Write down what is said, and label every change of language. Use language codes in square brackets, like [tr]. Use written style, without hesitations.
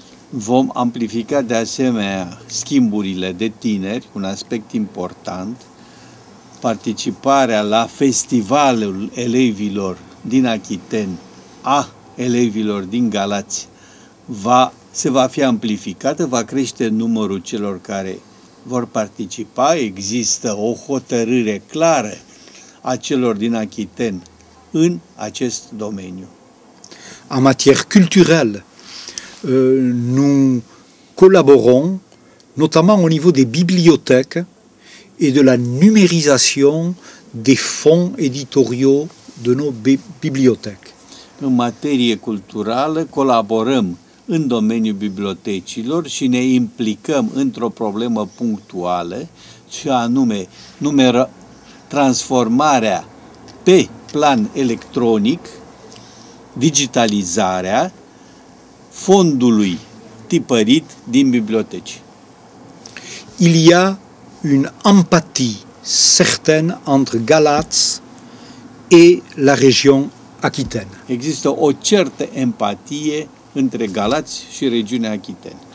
[ro] Vom amplifica de asemenea schimburile de tineri, un aspect important, participarea la festivalul elevilor din Aquitaine a elevilor din Galați se va fi amplificată, va crește numărul celor care vor participa. Există o hotărâre clară a celor din Aquitaine în acest domeniu. [fr] En matière culturelle, nous collaborons notamment au niveau des bibliothèques et de la numérisation des fonds éditoriaux de nos bibliothèques. [ro] În materie culturală colaborăm în domeniul bibliotecilor și ne implicăm într-o problemă punctuală, și anume transformarea pe plan electronic, digitalizarea fondului tipărit din biblioteci. [fr] Il y a une empathie certaine entre Galați et la région Aquitaine. [ro] Există o certă empatie între Galați și regiunea Aquitaine.